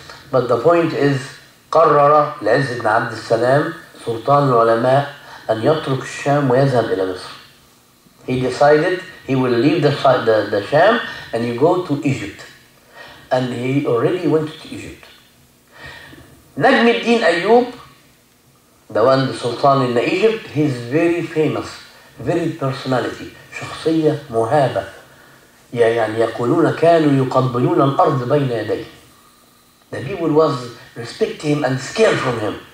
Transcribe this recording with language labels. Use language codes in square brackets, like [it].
[en] But the point is [ar] قرر العز بن عبد السلام سلطان العلماء أن يترك الشام ويذهب إلى مصر. [en] He decided he will leave the Sham and he go to Egypt. And he already went to Egypt. نجم الدين أيوب, the one the Sultan in Egypt, he is very famous, very personality, [ar] شخصية مهابة. يعني يقولون كانوا يقبلون الأرض بين يديه. [en] The people was respect him and scared from him.